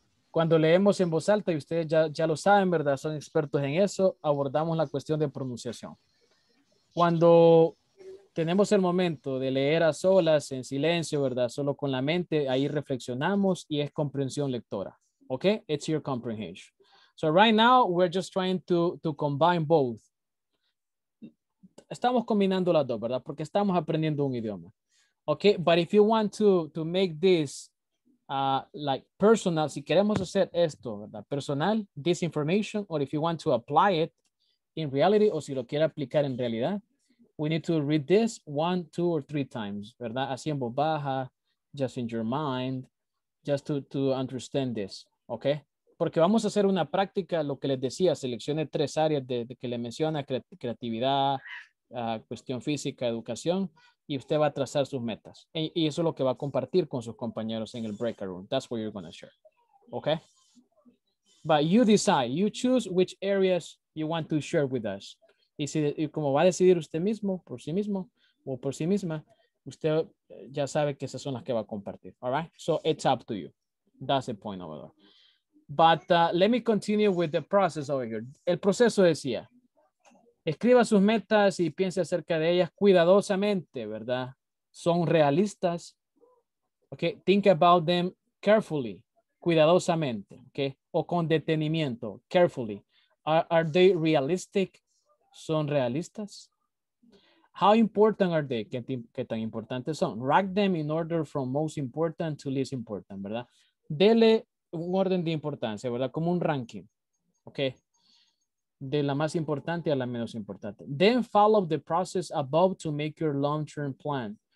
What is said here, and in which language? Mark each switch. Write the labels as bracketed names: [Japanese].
[Spanish] Cuando leemos en voz alta, y ustedes ya lo saben, ¿verdad? Son expertos en eso. Abordamos la cuestión de pronunciación. Cuando tenemos el momento de leer a solas, en silencio, ¿verdad? Solo con la mente, ahí reflexionamos y es comprensión lectora. [English] ¿Ok? It's your comprehension. So right now, we're just trying to combine both. [Spanish] Estamos combinando las dos, ¿verdad? Porque estamos aprendiendo un idioma. [English] Okay, but if you want to make this like personal, [Spanish] si queremos hacer esto, ¿verdad? [English] Personal, this information, or if you want to apply it in reality, [Spanish] o si lo quiere aplicar en realidad, [English] we need to read this one, two, or three times, ¿verdad? [Spanish] Así en voz baja, [English] just in your mind, just to understand this, okay? [Spanish] Porque vamos a hacer una práctica, lo que les decía, seleccione tres áreas de que le menciona, creatividad, cuestión física, educación, y usted va a trazar sus metas. Y eso es lo que va a compartir con sus compañeros en el breakout room. [English] That's what you're going to share. Okay? But you decide. You choose which areas you want to share with us. [Spanish] Y, si, y como va a decidir usted mismo, o por sí misma, usted ya sabe que esas son las que va a compartir. [English] All right? So it's up to you. That's the point over there. But let me continue with the process over here. [Spanish] El proceso decía, escriba sus metas y piense acerca de ellas cuidadosamente, ¿verdad? [English] Son realistas. Okay, think about them carefully, cuidadosamente, okay? [Spanish] O con detenimiento, [English] carefully. Are they realistic? [Spanish] Son realistas. [English] How important are they? [Spanish] ¿Qué tan importantes son? [English] Rank them in order from most important to least important, ¿verdad? [Spanish] Dele un orden de importancia, ¿verdad? Como un ranking. Okay. De la más importante a la menos importante. [English] Then follow the process above to make your long-term plan.